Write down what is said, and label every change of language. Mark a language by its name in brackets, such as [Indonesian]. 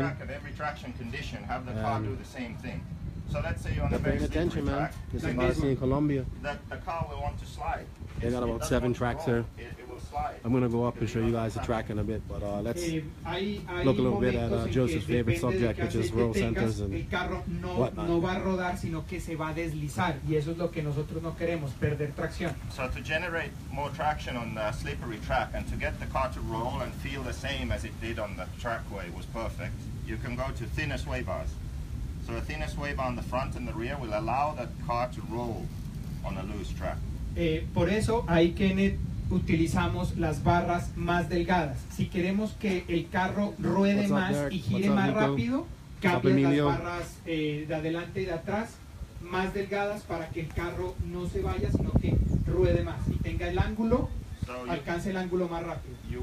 [English] Of every traction condition have the car do the same thing. So let's say you're on a very slippery track, man. This is like in Colombia. That the car will want to slide. They got about 7 tracks here. I'm going to go up and show you guys the track in a bit, but let's look a little bit at Joseph's favorite subject, which is roll centers and [Spanish] el carro no va a rodar, sino que se va a deslizar, y eso es lo que nosotros no queremos, perder tracción. [English] So to generate more traction on the slippery track and to get the car to roll and feel the same as it did on the trackway was perfect, you can go to thinner sway bars. So a thinner sway bar on the front and the rear will allow the car to roll on a loose track. [Spanish] Por eso ahí Kenneth utilizamos las barras más delgadas. Si queremos que el carro ruede más y gire más rápido, cambia las barras de adelante y de atrás más delgadas para que el carro no se vaya, sino que ruede más y tenga el ángulo, alcance el ángulo más rápido.